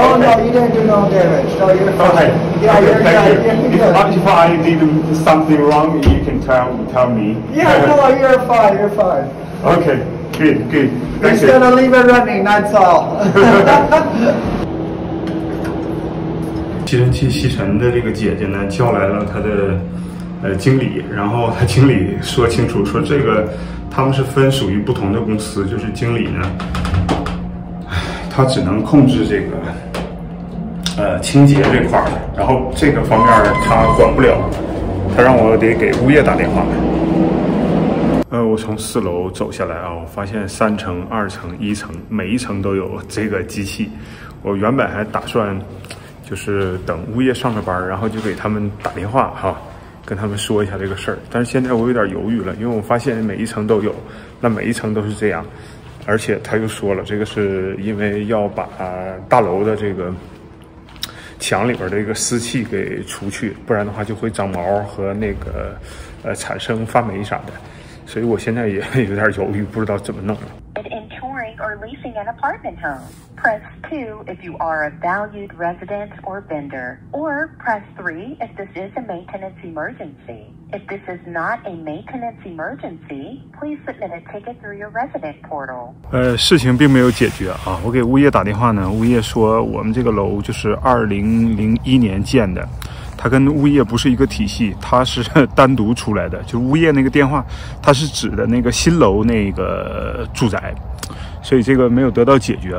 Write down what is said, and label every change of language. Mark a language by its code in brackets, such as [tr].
[en] Oh no, you didn't do no damage. No, you're fine. Okay. Yeah, Okay, thank you. You're good. If I did something wrong, you can tell me. Yeah, no, you're fine. Okay, good. Thank It's you. gonna leave it running, that's all. [zh] 吸尘器吸尘的这个姐姐呢，叫来了她的经理，然后她经理说清楚，说这个他们是分属于不同的公司，就是经理呢，他只能控制这个清洁这块儿，然后这个方面他管不了，他让我得给物业打电话。我从四楼走下来啊，我发现三层、二层、一层，每一层都有这个机器，我原本还打算。就是等物业上了班，然后就给他们打电话哈，跟他们说一下这个事儿。但是现在我有点犹豫了，因为我发现每一层都有，那每一层都是这样，而且他又说了，这个是因为要把大楼的这个墙里边的一个湿气给除去，不然的话就会长毛和那个产生发霉啥的，所以我现在也有点犹豫，不知道怎么弄了。 [en] Or leasing an apartment home. Press 2 if you are a valued resident or vendor. Or press 3 if this is a maintenance emergency. If this is not a maintenance emergency, please submit a ticket through your resident portal. [zh] 事情并没有解决啊。我给物业打电话呢，物业说我们这个楼就是2001年建的。他跟物业不是一个体系，他是单独出来的。就物业那个电话，他是指的那个新楼那个住宅，所以这个没有得到解决。